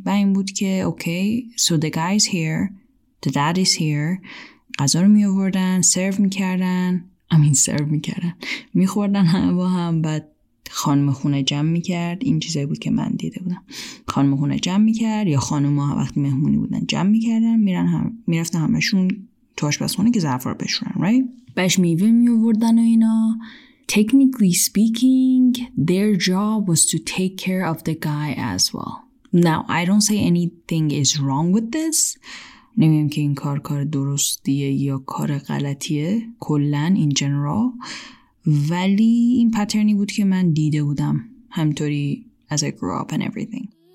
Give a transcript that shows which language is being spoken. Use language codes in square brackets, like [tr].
[fa] بعد این بود که [en] okay, so the guy's here, the dad is here، [fa] غذا رو میآوردن، سرو میکردن، سرو میکردن، میخوردن همه با هم، بعد خانم خونه جمع میکرد. این چیزایی بود که من دیده بودم. خانم خونه جمع میکرد یا خانم ها وقتی مهمونی بودن جمع میکردن، میرن هم میرفتن همشون تو آشپزخونه که ظرفا رو بشورن، [en] right؟ [fa] بهش میوه میووردن و اینا. [en] Technically speaking their job was to take care of the guy as well. Now I don't say anything is wrong with this. [fa] نمیم که این کار درستیه یا کار غلطیه کلن [en] in general، [fa] ولی این پترنی بود که من دیده بودم همطوری [en] as I grew up and everything.